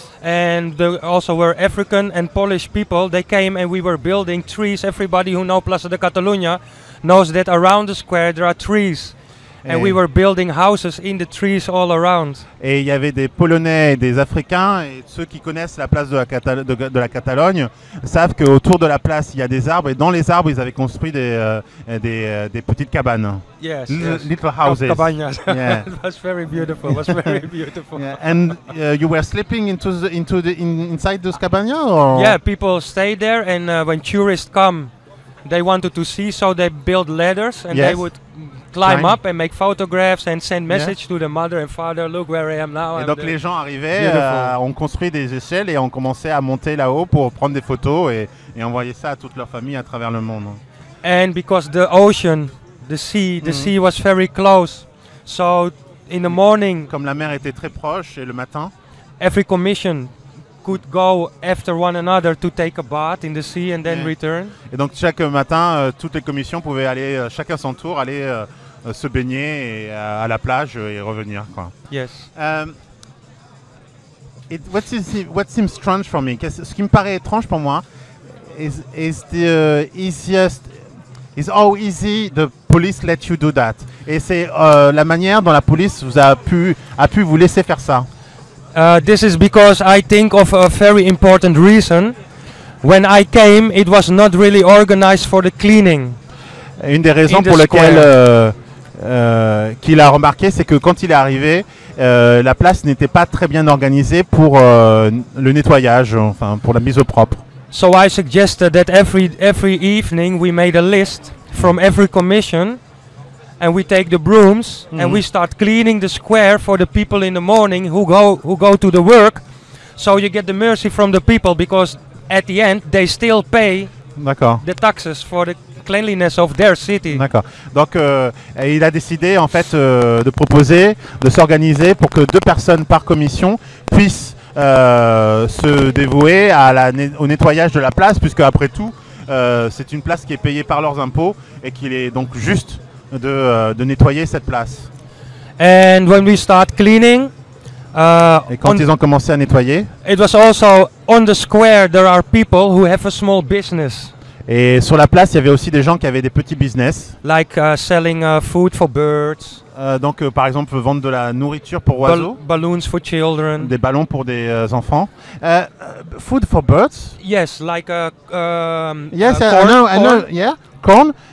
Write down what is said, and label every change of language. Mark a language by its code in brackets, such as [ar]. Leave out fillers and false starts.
[en] And there also were African and Polish people. They came and we were building trees. Everybody who knows Plaza de Catalunya knows that around the square there are trees. And we were building houses in the trees all around. [fr] Et il y avait des Polonais et des Africains, et ceux qui connaissent la place de la Catalogne savent qu'autour de la place il y a des arbres, et dans les arbres ils avaient construit des petites cabanes. [en] Yes. Little houses. Cabanas. Yeah. It was very beautiful. It was very beautiful. Yeah. And you were sleeping inside those cabanas? Yeah, people stay there, and when tourists come, they wanted to see, so they build ladders, and they would climb up and make photographs and send message to the mother and father, look where I am now. [fr] Et [en] I'm [fr] donc [en] there. [fr] Les gens arrivaient, ont construit des échelles et ont commencé à monter là-haut pour prendre des photos et envoyer ça à toute leur famille à travers le monde. [en] And because the ocean, the sea was very close, so in the morning, [fr] comme la mer était très proche et le matin, [en] every commission could go after one another to take a bath in the sea and then return. [fr] Et donc chaque matin, toutes les commissions pouvaient aller chacun son tour, aller se baigner à la plage et revenir, quoi. [en] Yes. What seems strange for me? [fr] Ce qui me paraît étrange pour moi [en] is how easy the police let you do that. [fr] Et c'est la manière dont la police vous a pu vous laisser faire ça. [en] This is because I think of a very important reason. When I came, it was not really organized for the cleaning. [fr] Une des raisons pour lesquelles qu'il a remarqué, c'est que quand il est arrivé, la place n'était pas très bien organisée pour le nettoyage, enfin pour la mise au propre. [en] So I suggested that every evening we made a list from every commission. And we take the brooms and we start cleaning the square for the people in the morning who go to the work. So you get the mercy from the people because at the end they still pay the taxes for the cleanliness of their city. [fr] D'accord. Donc il a décidé en fait de proposer de s'organiser pour que deux personnes par commission puissent se dévouer au nettoyage de la place, puisque après tout c'est une place qui est payée par leurs impôts et qu'il est donc juste de nettoyer cette place. [en] And when we start cleaning, [fr] et quand ils ont commencé à nettoyer, [en] it was also on the square there are people who have a small business. [fr] Et sur la place, il y avait aussi des gens qui avaient des petits business. [en] Like selling food for birds. [fr] Donc par exemple vendre de la nourriture pour oiseaux. [en] Balloons for children. [fr] Des ballons pour des enfants. [en] Food for birds? Yes, like corn. I know. Yeah, corn.